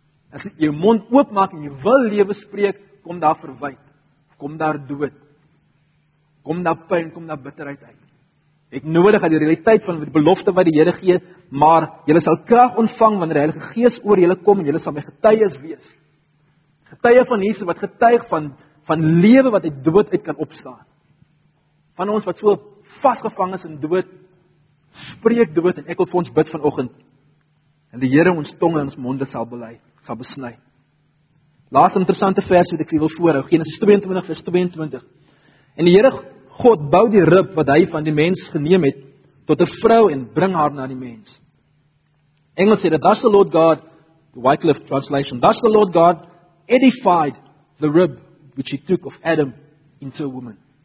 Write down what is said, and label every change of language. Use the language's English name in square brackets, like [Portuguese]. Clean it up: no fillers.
[Afrikaans] As jy jou mond oop maak en jy wil lewe spreek, kom daar verwyd, kom daar dood, kom daar pyn, kom daar bitterheid uit. Ek nodig aan die realiteit van die belofte wat die Here gee, maar jylle sal krag ontvang wanneer die Heilige Gees oor jylle kom en jylle sal my getuies wees. Getuie van Jesus wat getuig van van lewe wat uit dood uit kan opstaan. Van ons wat so vasgevang is in dood, spreek dood, en ek wil vir ons bid vanoggend, en die Here ons tong en ons monde sal bely, sal besny. Laaste interessante vers wat ek vir wil voorhou, Genesis 22 vers 22. En die Here God bou die rib wat hy van die mens geneem het, tot 'n vrou en bring haar na die mens. Engels sê, [English] that's the Lord God, the Wycliffe translation, that's the Lord God edified the rib which he took of Adam into a woman.